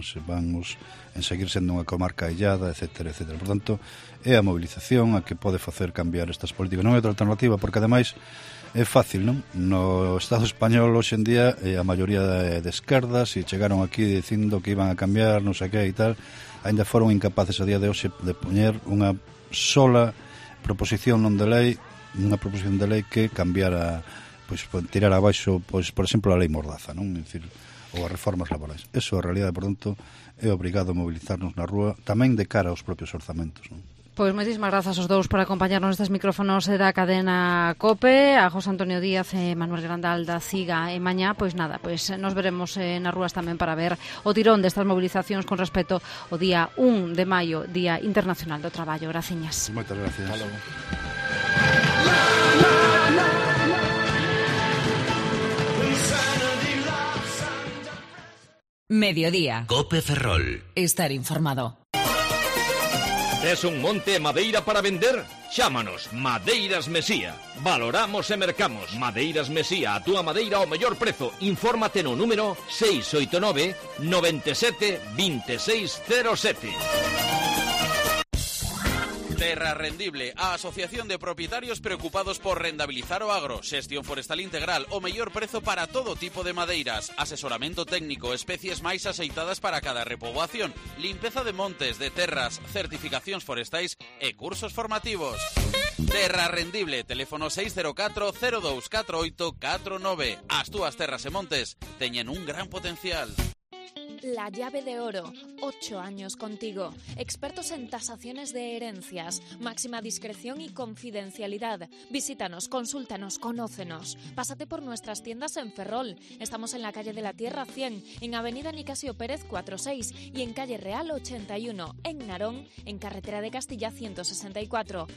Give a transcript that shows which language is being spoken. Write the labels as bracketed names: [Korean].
[Galician] Se vamos en seguir sendo unha comarca illada, etcétera, etcétera. Por tanto, é a mobilización a que pode facer cambiar estas políticas. Non é outra alternativa, porque ademais é fácil, non? No Estado español hoxendía a maioría de esquerdas e chegaron aquí dicindo que iban a cambiar, non sei que e tal, ainda foron incapaces a día de hoxe de poñer unha sola proposición non de lei, unha proposición de lei que cambiara, pois tirar abaixo, pois por exemplo a lei Mordaza, non? É dicir, ou as reformas laborais. Eso a realidade, por tanto, é obrigado a mobilizarnos na rúa tamén de cara aos propios orzamentos, non? Pois moitísimas grazas aos dous por acompañarnos estes micrófonos da cadena COPE, a José Antonio Díaz e Manuel Grandal da CIGA. E mañá, pois nada, pois nos veremos nas rúas tamén para ver o tirón destas mobilizacións con respecto ao día 1 de maio, Día Internacional do Traballo. Graciñas. Moitas gracias. Hasta logo. Mediodía. COPE Ferrol. Estar informado. ¿Es un monte madeira para vender? Chámanos, Madeiras Mesía. Valoramos e mercamos. Madeiras Mesía, a túa madeira ao mellor prezo. Infórmate no número 689-97-2607. Terra Rendible, a asociación de propietarios preocupados por rendabilizar o agro, xestión forestal integral o mellor prezo para todo tipo de madeiras, asesoramento técnico, especies máis axeitadas para cada repoboación, limpeza de montes, de terras, certificacións forestais e cursos formativos. Terra Rendible, teléfono 604-024849. As túas terras e montes teñen un gran potencial. [Spanish] La Llave de Oro, 8 años contigo. Expertos en tasaciones de herencias, máxima discreción y confidencialidad. Visítanos, consúltanos, conócenos. Pásate por nuestras tiendas en Ferrol. Estamos en la calle de la Tierra 100, en Avenida Nicasio Pérez 46 y en calle Real 81, en Narón, en carretera de Castilla 164.